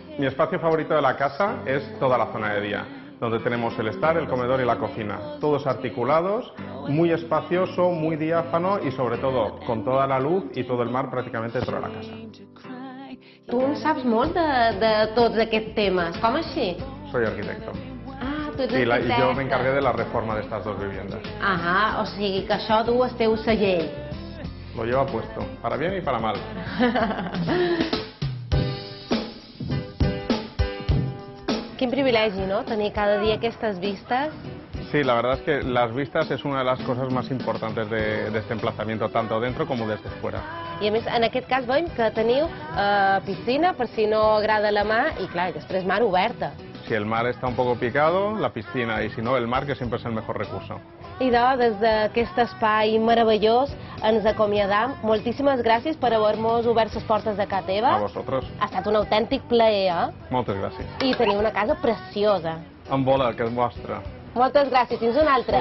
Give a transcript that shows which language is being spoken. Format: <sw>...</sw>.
<es>Mi espacio favorito de la casa es toda la zona de día, donde tenemos el estar, el comedor y la cocina. Todos articulados, muy espacioso, muy diáfano y sobre todo con toda la luz y todo el mar prácticamente dentro de la casa.</es> <ca>Tu en saps molt de tots aquests temes, com així?</ca> <es>Soy arquitecto. Sí, y yo me encargué de la reforma de estas dos viviendas.</es> <ca>Ajá, o sigui que això du el teu segell.</ca> <es>Lo llevo puesto, para bien y para mal.</es> <ca>Quin privilegi, ¿no?, tenir cada dia aquestes vistes.</ca> <es>Sí, la verdad es que las vistas es una de las cosas más importantes de este emplazamiento, tanto dentro como desde fuera.</es> <ca>I a més, en aquest cas veiem que teniu piscina, per si no agrada la mà, i clar, després mar oberta.</ca> <es>Si el mar está un poco picado, la piscina, y si no, el mar, que siempre es el mejor recurso.</es> <ca>I doncs, des d'aquest espai meravellós, ens acomiadam. Moltíssimes gràcies per haver-nos obert les portes de casa teva.</ca> <es>A vosotros.</es> <ca>Ha estat un autèntic plaer, eh? Moltes gràcies. I teniu una casa preciosa. Amb bola, que és vostra. Moltes gràcies. Fins una altra.</ca>